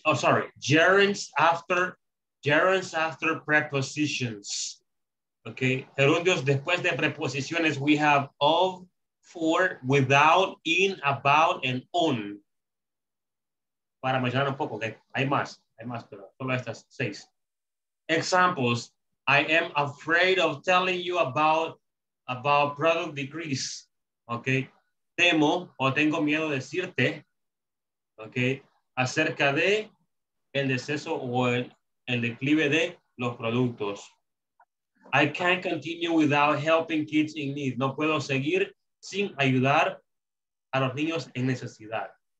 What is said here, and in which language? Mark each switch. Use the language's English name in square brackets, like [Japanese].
[English] Oh, sorry, gerunds after prepositions. Okay, [Spanish] gerundios después de preposiciones, [English] we have of, for, without, in, about, and on. [Spanish] Para mencionar un poco, okay, hay más, pero solo estas seis. [English] Examples. I am afraid of telling you about product decrease. [Spanish] Okay. Temo o tengo miedo decirte. Okay. Acerca de el deceso o el declive de los productos. [English] I can't continue without helping kids in need. [Spanish] No puedo seguir sin ayudar a los niños en necesidad.